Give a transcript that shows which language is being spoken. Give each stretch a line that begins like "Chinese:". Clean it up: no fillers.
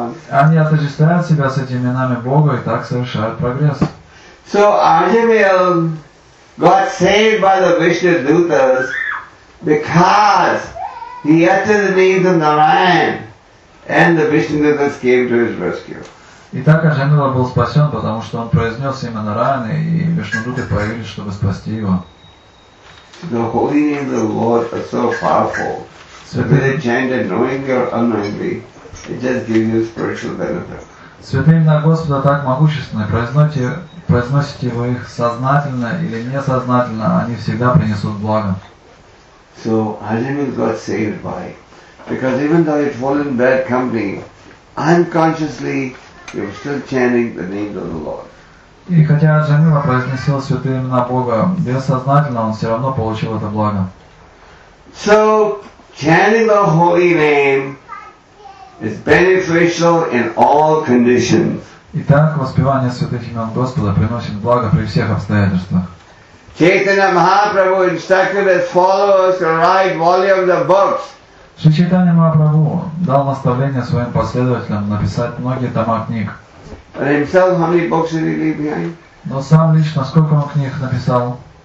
Russian: Они отождествляют себя с этими именами Бога и так совершают прогресс.
English: So Ajamil got saved by the Vishnudutas because he uttered the names of Narayan and the Vishnudutas came to his rescue.
Russian: И так Ajamil был спасен, потому что он произнес имя Нараяны, и Вишнудуты появились, чтобы спасти его.
English: The holy names of the Lord are so powerful.
Russian: Святые чанты,
English: knowingly or unknowingly, it just gives you spiritual benefit.
Russian: Святые имена Господа так могущественны. Произносите вы их сознательно или несознательно, они всегда принесут благо.
English: So Ajamil got saved by, because even though he'd fallen bad company, unconsciously he was still chanting the names of the Lord.
Russian: И хотя Ajamil произносил святые имена Бога бессознательно, он все равно получил это благо.
English: So chanting the holy name is beneficial in all conditions.
Russian: Итак, воспевание святых имен Господа приносит благо при всех обстоятельствах.
English: Chaitanya Mahaprabhu instructed his followers to write volumes of books.
Russian: Шри Чайтанья Махапрабху дал наставление своим последователям написать многие тома книг.
English: And himself, how many books did he leave behind?
Russian: Но сам лично сколько он книг написал?